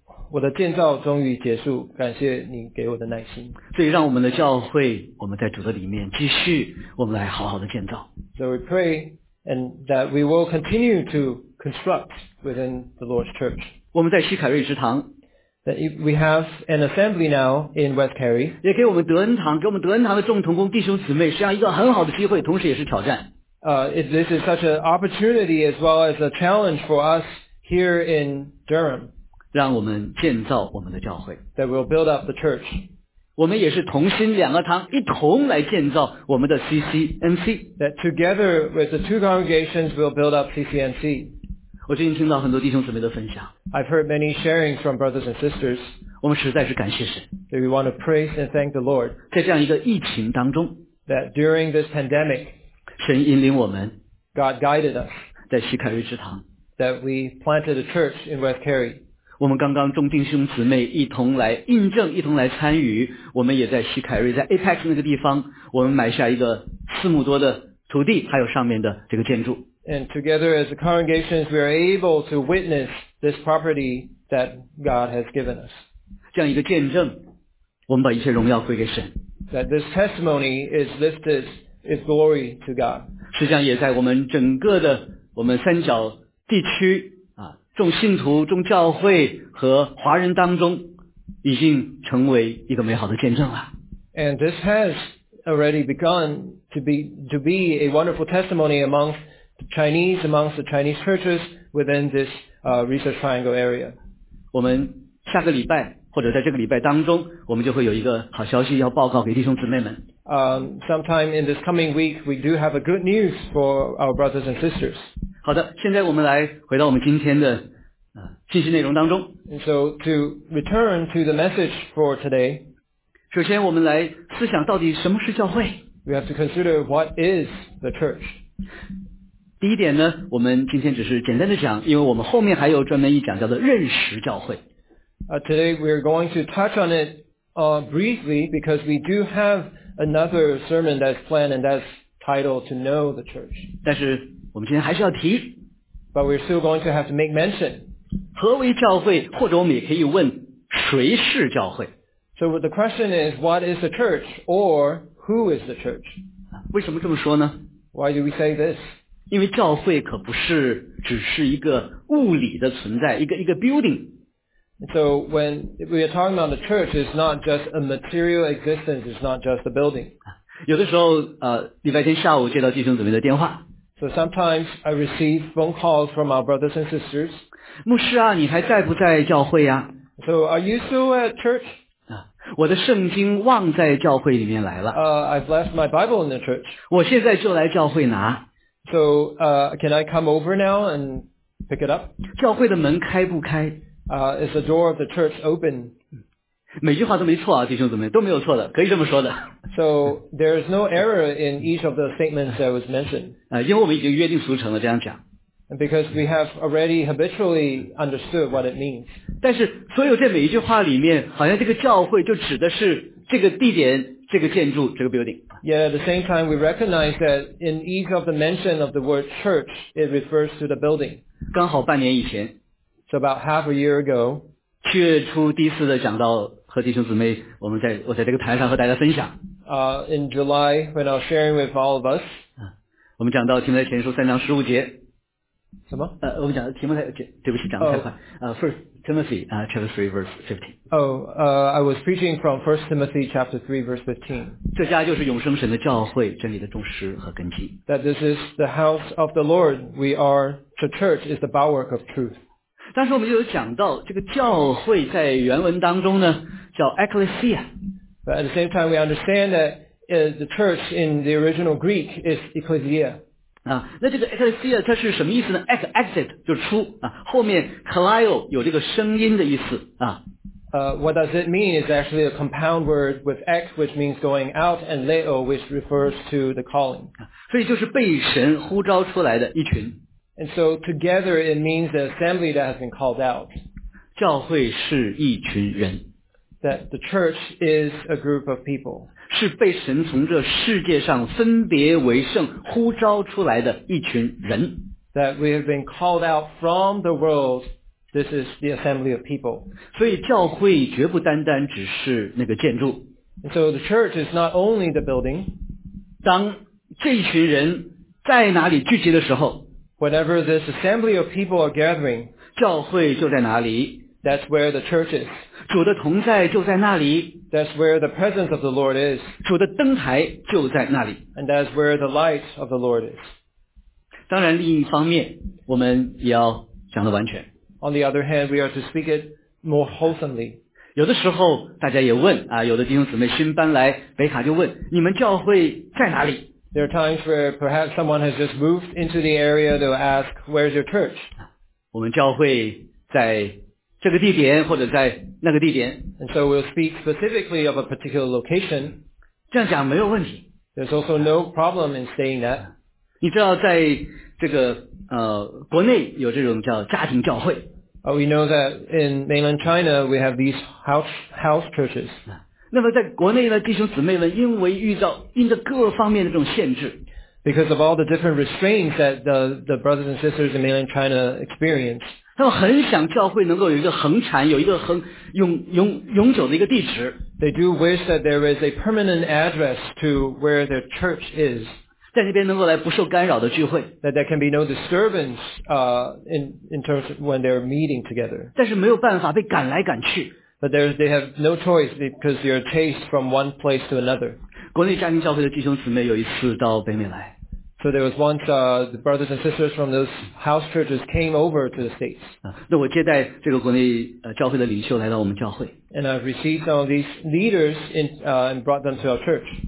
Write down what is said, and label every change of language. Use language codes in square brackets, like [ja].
[zh] 我的建造终于结束，感谢你给我的耐心。所以让我们的教会，我们在主的里面继续，我们来好好的建造。 [en] So we pray and that we will continue to construct within the Lord's church. [zh] 我们在西凯瑞食堂 [en] that we have an assembly now in West Cary. [zh] 也给我们德恩堂，给我们德恩堂的众同工弟兄姊妹，是一个很好的机会，同时也是挑战。 [en] This is such an opportunity as well as a challenge for us here in Durham. [zh] 让我们建造我们的教会。 [en] That we'll build up the church. [zh] 我们也是同心两个堂一同来建造我们的 CCNC. [en] That together with the two congregations we'll build up CCNC. [zh] 我最近听到很多弟兄姊妹的分享。 [en] I've heard many sharings from brothers and sisters. [zh] 我们实在是感谢神。 [en] That we want to praise and thank the Lord. [zh] 在这样一个疫情当中。 [en] That during this pandemic. [zh] 神引领我们。 [en] God guided us. [zh] 在西凯瑞之堂。 [en] That we planted a church in West Cary. [zh] 我们刚刚众弟兄姊妹一同来印证，一同来参与。我们也在西凯瑞，在 Apex 那个地方，我们买下一个四亩多的土地，还有上面的这个建筑。 [en] And together as the congregations, we are able to witness this property that God has given us. [zh] 这样一个见证，我们把一切荣耀归给神。 [en] That this testimony is lifted is glory to God. [zh] 实际上也在我们整个的我们三角地区啊，众信徒、众教会和华人当中，已经成为一个美好的见证了。 [en] And this has already begun to be a wonderful testimony amongst. Chinese, amongst the Chinese churches within this Research Triangle area. [zh] 我们下个礼拜或者在这个礼拜当中我们就会有一个好消息要报告给弟兄姊妹们。 [en] Sometime in this coming week, we do have a good news for our brothers and sisters. [zh] 好的，现在我们来回到我们今天的信息内容当中。 [en] And so to return to the message for today, [zh] 首先我们来思想到底什么是教会。 [en] We have to consider what is the church. [zh] 第一点呢，我们今天只是简单的讲，因为我们后面还有专门一讲叫做认识教会。 [en] Today we are going to touch on it briefly because we do have another sermon that's planned and that's titled to know the church. [zh] 但是我们今天还是要提。 [en] But we're still going to have to make mention. [zh] 何为教会？或者我们也可以问谁是教会 [en] ？So the question is, what is the church, or who is the church? [zh] 为什么这么说呢 [en] ？Why do we say this? [zh] 因为教会可不是只是一个物理的存在，一个 building. [en] So when we are talking about the church, it's not just a material existence, it's not just a building. [zh] 有的时候，礼拜天下午接到弟兄姊妹的电话。 [en] So sometimes I receive phone calls from our brothers and sisters. [zh] 牧师啊，你还在不在教会呀？ [en] So are you still at church? [zh] 我的圣经忘在教会里面来了。 [en] I've left my Bible in the church. [zh] 我现在就来教会拿。 [en] So, can I come over now and pick it up? [zh] 教会的门开不开？ [en] Is the door of the church open? [zh] 每句话都没错啊，弟兄姊妹，都没有错的，可以这么说的。 [en] So, there is no error in each of the statements that was mentioned. [zh] 因为我们已经约定俗成了这样讲。 [en] And because we have already habitually understood what it means. [zh] 但是，所有这每一句话里面，好像这个教会就指的是这个地点。这个建筑，这个 building. [en] Yet at the same time, we recognize that in each of the mention of the word church, it refers to the building. [zh] 刚好半年以前。 [en] So about half a year ago. [zh] 七月初第一次的讲到和弟兄姊妹，我在这个台上和大家分享。 [en] In July, when I was sharing with all of us. [zh] 我们讲到提摩太前书三章十五节。什么？我们讲提摩太，对不起，讲得太快。 [en] First. Timothy, chapter 3, verse 15. I was preaching from 1 Timothy, chapter 3, verse 15. [zh] 这家就是永生神的教会，真理的忠实和根基。 [en] That this is the house of the Lord. We are, the church is the bulwark of truth. [zh] 当时我们就有讲到，这个教会在原文当中呢，叫 ecclesia. [en] But at the same time, we understand that the church in the original Greek is ecclesia. [zh] 那这个 ecclesia 它是什么意思呢 ？exit 就是出啊，后面 kleio 有这个声音的意思啊。 [en] What does it mean? It's actually a compound word with ex, which means going out, and leo, which refers to the calling. [zh] 所以就是被神呼召出来的一群。 [en] And so together it means the assembly that has been called out. [zh] 教会是一群人。 [en] That the church is a group of people. [zh] 是被神从这世界上分别为圣呼召出来的一群人。 [en] That we have been called out from the world, this is the assembly of people. [zh] 所以教会绝不单单只是那个建筑。 [en] And so the church is not only the building. [zh] 当这一群人在哪里聚集的时候 [en] ，Whenever this assembly of people are gathering, [zh] 教会就在哪里。 [en] That's where the church is. [zh] 主的同在就在那里。 [en] That's where the presence of the Lord is. [zh] 主的灯台就在那里。 [en] And that's where the light of the Lord is. [zh] 当然另一方面我们也要讲得完全。 [en] On the other hand, we are to speak it more wholesomely. [zh] 有的时候大家也问啊，有的弟兄姊妹新搬来北卡就问，你们教会在哪里？ [en] There are times where perhaps someone has just moved into the area, they'll ask, where's your church? [zh] 我们教会在这个地点或者在那个地点。 [en] And so we'll speak specifically of a particular location. [zh] 这样讲没有问题。 [en] There's also no problem in saying that. [zh] 你知道在这个国内有这种叫家庭教会。 [en] We know that in mainland China, we have these house churches. [zh] 那么在国内呢，弟兄姊妹们因为遇到因着各方面的这种限制。 [en] Because of all the different restraints that the brothers and sisters in mainland China experience. [zh] 他们很想教会能够有一个恒产，有一个恒永久的一个地址。 [en] They do wish that there is a permanent address to where their church is. [zh] 在那边能够来不受干扰的聚会。 [en] That there can be no disturbance, in terms of when they're meeting together. [zh] 但是没有办法被赶来赶去。 [en] But they have no choice because they're chased from one place to another. [zh] 国内家庭教会的弟兄姊妹有一次到北美来。 [en] So there was once the brothers and sisters from those house churches came over to the States. [zh] 那我接待这个国内教会的领袖来到我们教会。 [en] And I've received some of these leaders and brought them to our church.